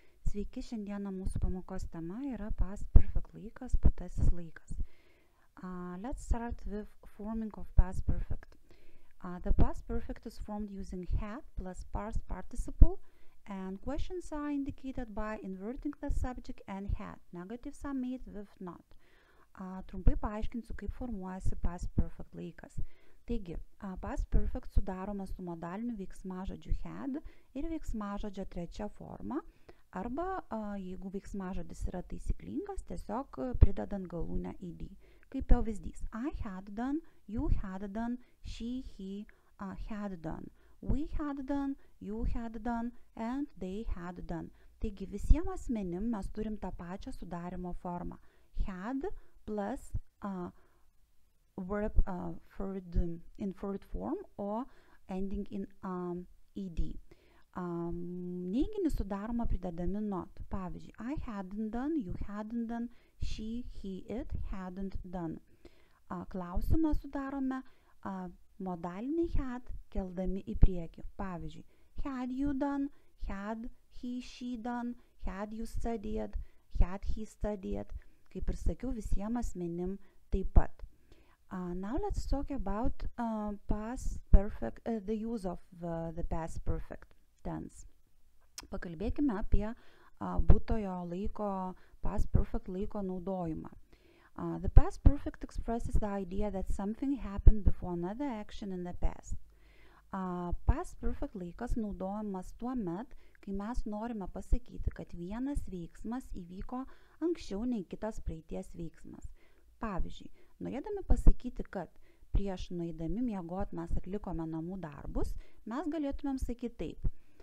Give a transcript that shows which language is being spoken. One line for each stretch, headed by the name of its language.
Lithuanian: Sveiki, šiandieną mūsų pamokos tema yra past perfect laikas, būtasis laikas.
English: Let's start with forming of past perfect. The past perfect is formed using have plus past participle, and questions are indicated by inverting the subject and had. Negatives are made with not.
Lithuanian: Trumpai paaiškinsiu, kaip formuojasi past perfect laikas. Taigi, past perfect sudaromas su modaliniu veiksmažodžiu had ir veiksmažodžio trečia forma, arba jeigu veiksmažodis yra taisyklingas, tiesiog pridedant galūnę ed. Kaip pavyzdys,
English: I had done, you had done, she, he had done, we had done, you had done, and they had done.
Lithuanian: Taigi, visiems asmenim mes turim tą pačią sudarimo formą.
English: Had plus verb third, in third form or ending in ed.
Lithuanian: Neiginį sudaroma pridedami
English: not.
Lithuanian: Pavyzdžiui,
English: I hadn't done, you hadn't done, she, he, it hadn't done.
Lithuanian: Klausimą sudarome modalinį had keldami į priekį. Pavyzdžiui,
English: had you done, had he, she done, had you studied, had he studied.
Lithuanian: Kaip ir sakiau, visiems asmenim taip pat.
English: Now let's talk about the use of the past perfect tense.
Lithuanian: Pakalbėkime apie būtojo laiko, past perfect laiko naudojimą.
English: The past perfect expresses the idea that something happened before another action in the past.
Lithuanian: Past perfect laikas naudojamas tuo met, kai mes norime pasakyti, kad vienas veiksmas įvyko anksčiau nei kitas praeities veiksmas. Pavyzdžiui, norėdami pasakyti, kad prieš nueidami miegoti mes atlikome namų darbus, mes galėtumėm sakyti taip.